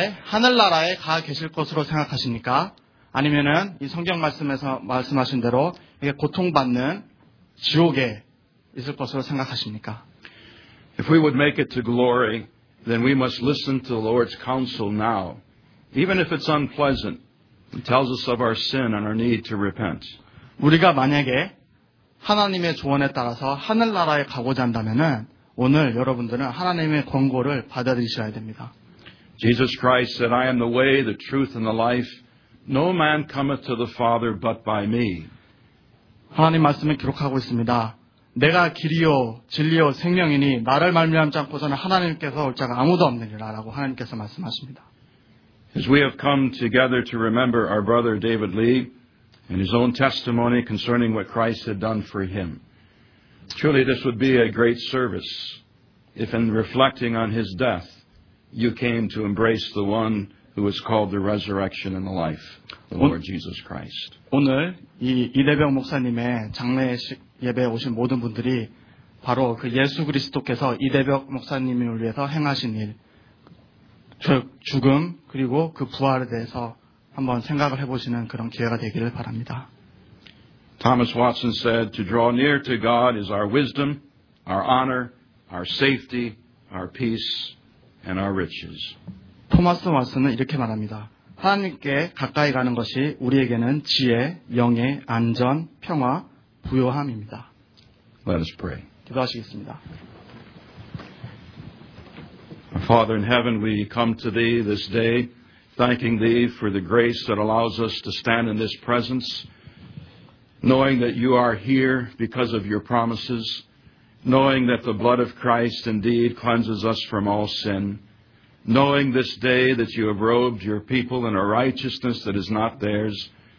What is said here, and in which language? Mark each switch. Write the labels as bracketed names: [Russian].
[Korean] 하늘나라에 가 계실 것으로 생각하십니까? 아니면은 이 성경 말씀에서 말씀하신 대로 이게 고통받는 지옥에 있을 것으로 생각하십니까? [English] If we would make it to glory, then we must listen to the Lord's counsel now. Even if it's unpleasant, it tells us of our sin and our need to repent. [Korean] 우리가 만약에 하나님의 조언에 따라서 하늘나라에 가고자 한다면은 오늘 여러분들은 하나님의 권고를 받아들이셔야 됩니다. [English] Jesus Christ said, I am the way, the truth, and the life. No man cometh to the Father but by me. [Korean] 하나님 말씀을 기록하고 있습니다. 내가 길이요, 진리요, 생명이니 나를 말미암지 않고서는 하나님께서 올 자가 아무도 없느니라 라고 하나님께서 말씀하십니다. [English] As we have come together to remember our brother David Lee and his own testimony concerning what Christ had done for him, truly this would be a great service if in reflecting on his death you came to embrace the one who is called the resurrection and the life, the Lord Jesus Christ. [Korean] 오늘 이 이대병 목사님의 장례 예배에 오신 모든 분들이 바로 그 예수 그리스도께서 이대병 목사님을 위해서 행하신 일, 즉 죽음 그리고 그 부활에 대해서 한번 생각을 해보시는 그런 기회가 되기를 바랍니다. [English] Thomas Watson said, to draw near to God is our wisdom, our honor, our safety, our peace, and our riches. [Korean] 토마스 왓슨은 이렇게 말합니다. 하나님께 가까이 가는 것이 우리에게는 지혜, 영예, 안전, 평화, 부요함입니다. [English] Let us pray. [Korean] 기도하시겠습니다. [English] Father in heaven, we come to thee this day, thanking thee for the grace that allows us to stand in this presence, knowing that you are here because of your promises, knowing that the blood of Christ indeed cleanses us from all sin, knowing this day that you have robed your people in a righteousness that is not theirs.